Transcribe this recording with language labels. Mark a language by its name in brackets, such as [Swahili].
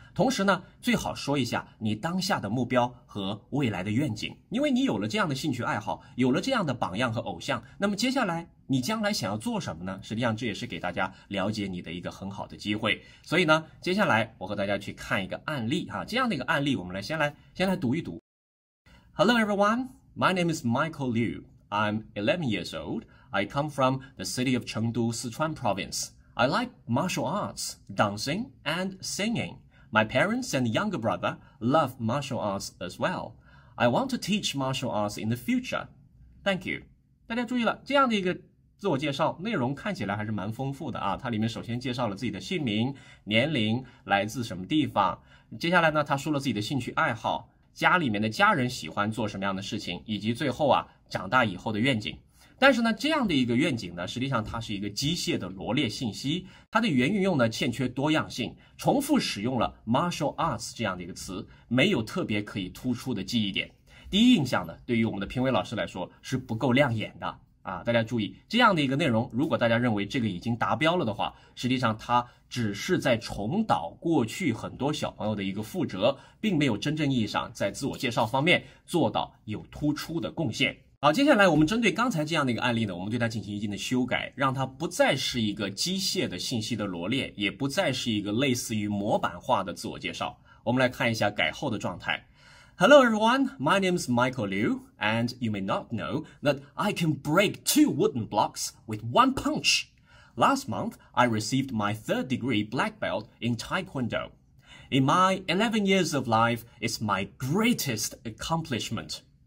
[Chinese] 同时呢，最好说一下你当下的目标和未来的愿景，因为你有了这样的兴趣爱好，有了这样的榜样和偶像，那么接下来你将来想要做什么呢？实际上这也是给大家了解你的一个很好的机会。所以呢，接下来我和大家去看一个案例啊，这样的一个案例，我们来先来读一读。 [English] Hello everyone, my name is Michael Liu. I'm 11 years old. I come from the city of Chengdu, Sichuan Province. I like martial arts, dancing, and singing. My parents and younger brother love martial arts as well. I want to teach martial arts in the future. Thank you. [Chinese] 大家注意了，这样的一个自我介绍内容看起来还是蛮丰富的啊。它里面首先介绍了自己的姓名、年龄、来自什么地方。接下来呢，他说了自己的兴趣爱好、家里面的家人喜欢做什么样的事情，以及最后啊，长大以后的愿景。但是呢，这样的一个愿景呢，实际上它是一个机械的罗列信息，它的原运用呢欠缺多样性，重复使用了 martial arts 这样的一个词，没有特别可以突出的记忆点。第一印象呢，对于我们的评委老师来说是不够亮眼的啊。大家注意，这样的一个内容，如果大家认为这个已经达标了的话，实际上它只是在重蹈过去很多小朋友的一个覆辙，并没有真正意义上在自我介绍方面做到有突出的贡献。好，接下来我们针对刚才这样的一个案例呢，我们对它进行一定的修改，让它不再是一个机械的信息的罗列，也不再是一个类似于模板化的自我介绍。我们来看一下改后的状态。 [English] Hello everyone, my name is Michael Liu, and you may not know that I can break two wooden blocks with one punch. Last month, I received my third degree black belt in Taekwondo. In my 11 years of life, it's my greatest accomplishment.